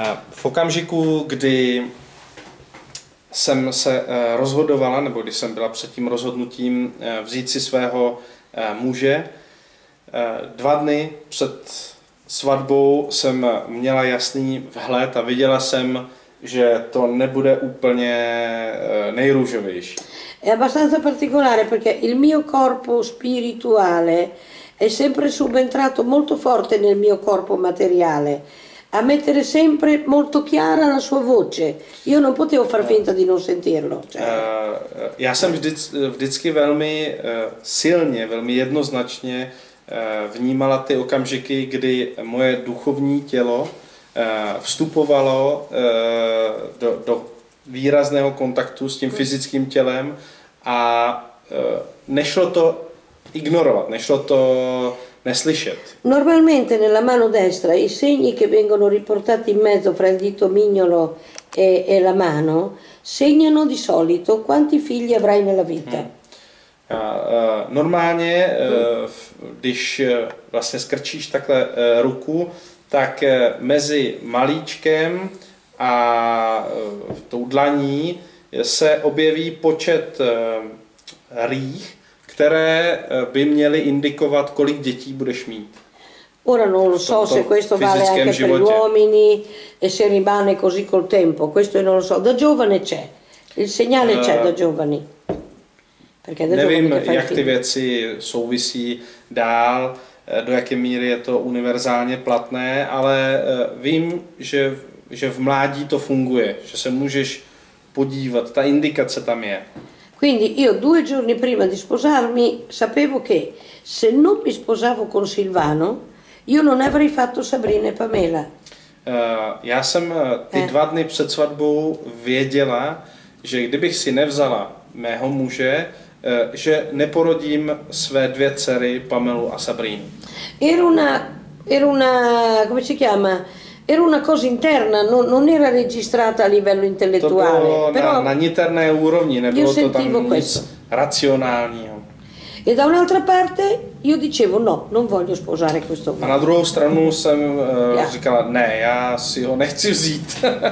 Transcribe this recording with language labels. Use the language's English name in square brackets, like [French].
[Czech] V okamžiku, kdy jsem se rozhodovala, nebo když jsem byla před tím rozhodnutím vzít si svého muže, dva dny před svatbou jsem měla jasný vhled a viděla jsem, že to nebude úplně nejrůžovější. [Italian] È abbastanza particolare perché il mio corpo spirituale è sempre subentrato molto forte nel mio corpo materiale, a mettere sempre molto chiara la sua voce. Io non potevo far finta di non sentirlo. Cioè. [Czech] Já jsem vždycky velmi silně, velmi jednoznačně vnímala ty okamžiky, kdy moje duchovní tělo vstupovalo do výrazného kontaktu s tím fyzickým tělem a nešlo to ignorovat, nešlo to neslyšet. [Italian] Normalmente nella mano destra i segni che vengono riportati in mezzo fra il dito mignolo e la mano segnano di solito quanti figli avrai nella vita. [Czech] Normálně, když vlastně skrčíš takhle ruku, tak mezi malíčkem a tou dlaní se objeví počet rých, které by měly indikovat, kolik dětí budeš mít. [Italian] Ora non lo so se questo vale anche per gli uomini e se rimane così col tempo, questo non lo so. Da giovane c'è, il segnale c'è da giovani. [Czech] Nevím, jak ty věci souvisí dál, do jaké míry je to univerzálně platné, ale vím, že v mládí to funguje, že se můžeš podívat, ta indikace tam je. [Italian] Quindi io due giorni prima di sposarmi sapevo che se non mi sposavo con Silvano, io non avrei fatto Sabrina e Pamela. [Czech] Já jsem ty dva dny před svatbou věděla, že kdybych si nevzala mého muže, že neporodím své dvě dcery Pamelu a Sabrinu. [Italian] Era una come si chiama? Era una cosa interna, non era registrata a livello intellettuale, però [Czech] na niterné úrovni nebylo to tam nic racionálního. [Italian] E da un'altra parte io dicevo no, non voglio sposare questo uomo. [Czech] A na druhou stranu jsem říkala ne, já si ho nechci vzít.